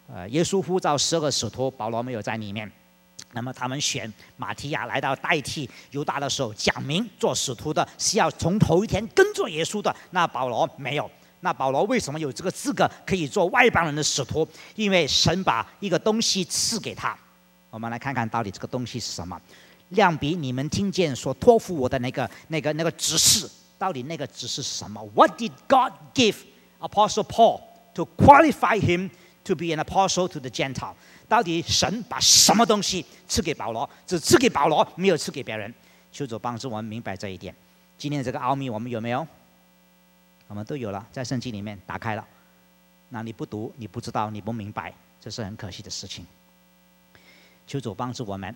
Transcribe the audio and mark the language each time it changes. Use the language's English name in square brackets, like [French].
[Chinese] 耶稣呼召十二个使徒，保罗没有在里面。那么他们选马提亚来到代替犹大的时候，讲明做使徒的是要从头一天跟着耶稣的，那保罗没有。那保罗为什么有这个资格可以做外邦人的使徒？因为神把一个东西赐给他。我们来看看到底这个东西是什么。量比你们听见所托付我的那个指示，到底那个指示是什么？ [English] What did God give Apostle Paul to qualify him to be an apostle to the Gentile？ [Chinese] 到底神把什么东西赐给保罗？只赐给保罗，没有赐给别人。求主帮助我们明白这一点。今天这个奥秘我们有没有？我们都有了，在圣经里面打开了。那你不读，你不知道，你不明白，这是很可惜的事情。求主帮助我们。